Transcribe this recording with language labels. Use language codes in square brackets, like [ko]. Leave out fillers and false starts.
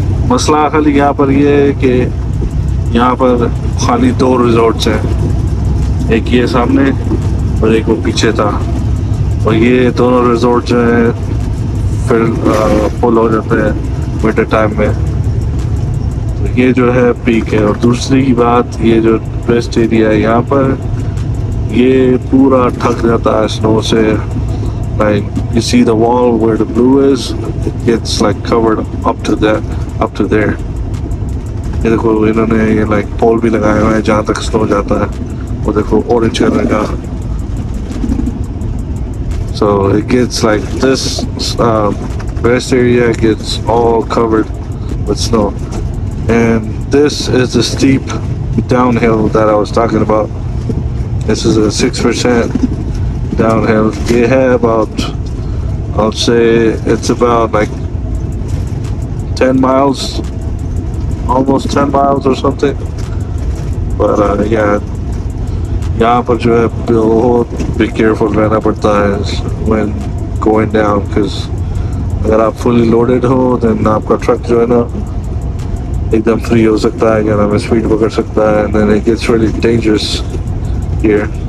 [hi] Masla khali yahan par ye hai ki yahan par khali do resorts hain, ek ye samne aur ek wo piche tha, और ये दोनों resort जो हैं फिर full हो जाते हैं विंटर टाइम में. तो ये जो है पीक है. और दूसरी की बात, ये जो बेस्ट एरिया है यहाँ पर, ये पूरा ढक जाता है स्नो से, [en] Like you see the wall where the blue is, it's like covered up to there. [hi] ये देखो इन्होंने ये लाइक पोल भी लगाए हुए हैं जहाँ तक स्नो जाता है, वो देखो ऑरेंज कलर का. [en] So it gets like this rest area gets all covered with snow, and this is the steep downhill that I was talking about. This is a 6% downhill. [hi] Ye hai [en] about, I'll say it's about like 10 miles, almost 10 miles or something. [hi] But yeah, यहाँ पर जो है बहुत be careful रहना पड़ता है when going down, because अगर आप फुली लोडेड हो देन आपका ट्रक जो है ना एकदम फ्री हो सकता है, या स्पीड पकड़ सकता है, [en] Then it gets really dangerous here.